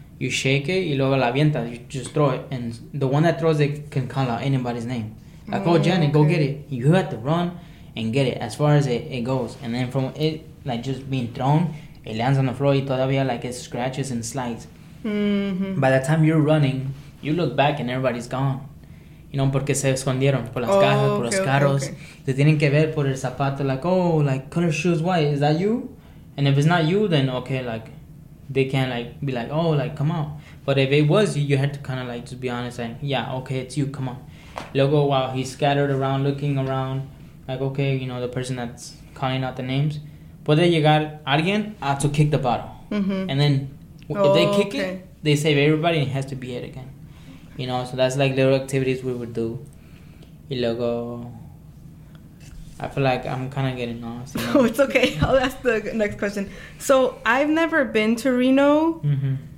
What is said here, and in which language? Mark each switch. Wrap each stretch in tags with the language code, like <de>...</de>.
<en>You shake it</en> <es>y luego la avientas,</es> <en>you just throw it, and the one that throws it can call out anybody's name, like, oh, Janet, okay. Go get it. You have to run, and get it as far as it goes. And then from it, like, just being thrown, it lands on the floor,</en> <es>todavía,</es> <en>like, it scratches and slides. Mm-hmm. By the time you're running, you look back and everybody's gone.</en> <es>You know, porque se escondieron por las cajas, por los carros.</es> <en>Okay.</en> <es>Se tienen que ver por el zapato,</es> <en>like, oh, like, color shoes, why? Is that you? And if it's not you, then, okay, like, they can't, like, be like, oh, like, come out. But if it was you, you had to kind of, like, just be honest, like, yeah, okay, it's you, come on.</en> <es>Luego,</es> <en>while he's scattered around, looking around, like, okay, you know, the person that's calling out the names.</en> <es>Puede llegar alguien a</es> <en>to kick the bottle. Mm-hmm. And then, if they kick it, they save everybody and it has to be it again. You know, so that's, like, little activities we would do.</en> <es>Y luego,</es> <en>I feel like I'm kind of getting lost. You know? Oh, it's okay. I'll ask the next question. So, I've never been to Reno. Mm-hmm.</en>